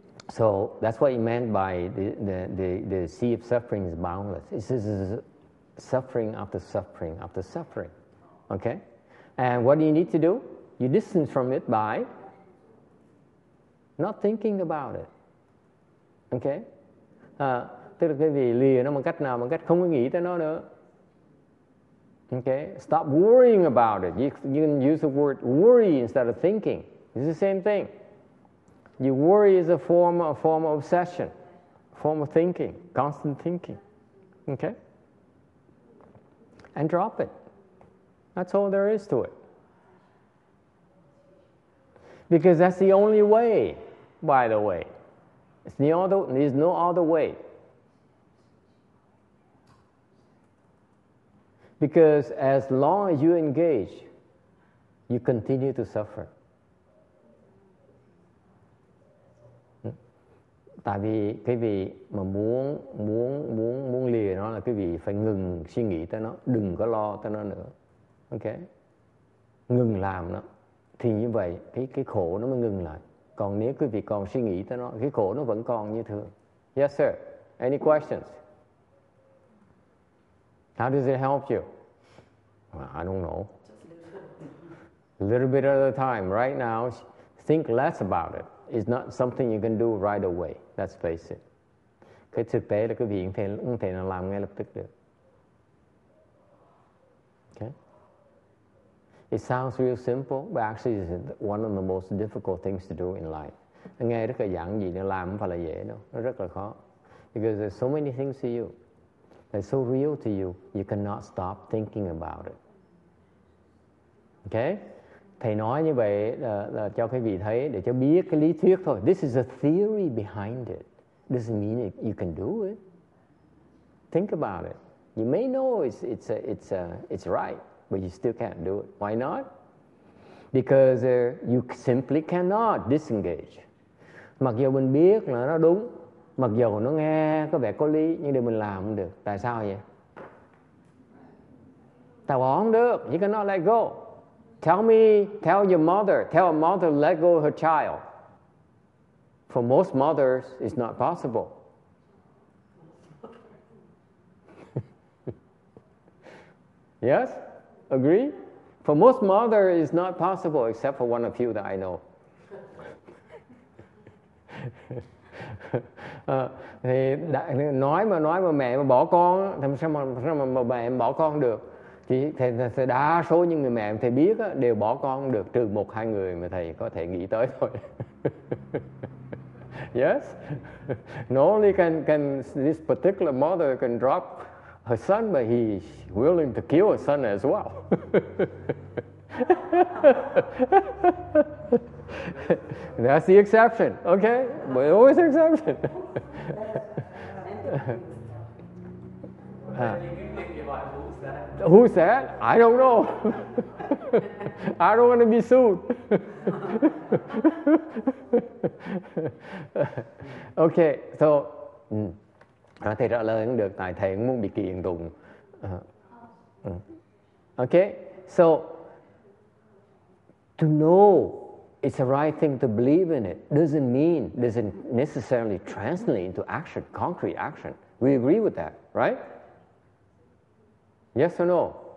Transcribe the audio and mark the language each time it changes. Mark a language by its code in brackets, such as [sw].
[en] So that's what he meant by the sea of suffering is boundless. It says suffering after suffering after suffering. Okay? And what do you need to do? You distance from it by not thinking about it. Okay? [vi] Tức là cái vì lìa nó bằng cách nào? Bằng cách không có nghĩ tới nó nữa. [en] Okay, stop worrying about it. You can use the word worry instead of thinking. It's the same thing. You worry is a form of obsession, form of thinking, constant thinking. Okay? And drop it. That's all there is to it. Because that's the only way, by the way. There's no other way. Because as long as you engage, you continue to suffer. [vi] Tại vì cái vị mà muốn lìa nó là cái vị phải ngừng suy nghĩ tới nó, đừng có lo tới nó nữa. Okay? Ngừng làm nó. Thì như vậy, cái khổ nó mới ngừng lại. Còn nếu cái vị còn suy nghĩ tới nó, cái khổ nó vẫn còn như thường. [en] Yes, sir. Any questions? How does it help you? I don't know. A little bit at a time. Right now, think less about it. It's not something you can do right away. Let's face it. [vi] Cái thực tế là quý vị không thể làm ngay lập tức được. [en] Okay? It sounds real simple, but actually it's one of the most difficult things to do in life. [vi] Nghe rất là giản dị, nó làm không phải là dễ đâu. Nó rất là khó. [en] Because there's so many things to you. They're so real to you, you cannot stop thinking about it. [vi] Okay, thầy nói như vậy là cho quý vị thấy, để cho biết cái lý thuyết thôi. [en] This is a theory behind it. Doesn't mean you can do it. Think about it. You may know it's right, but you still can't do it. Why not? Because you simply cannot disengage. [vi] Mặc dù mình biết là nó đúng, mặc dù nó nghe có vẻ có lý, nhưng điều mình làm không được. Tại sao vậy? Tại bỏ không được. [en] You cannot let go. Tell a mother to let go of her child. For most mothers, it's not possible. Yes? Agree? For most mothers, it's not possible, except for one of you that I know. [vi] thì nói mà mẹ mà bỏ con, làm sao mà mẹ bỏ con được? Thì đa số những người mẹ thầy biết á, đều bỏ con được, trừ một hai người mà thầy có thể nghĩ tới thôi. [en] Yes, normally can this particular mother can drop her son, but he's willing to kill her son as well. That's the exception, okay? But always exception. Who's that? I don't know. I don't want to be sued. [vi] Okay, so thầy trả lời cũng được, tại thầy cũng muốn bị kiện tụng. [en] Okay, so to know it's the right thing to believe in it doesn't mean, doesn't necessarily translate into action, concrete action. We agree with that, right? Yes or no?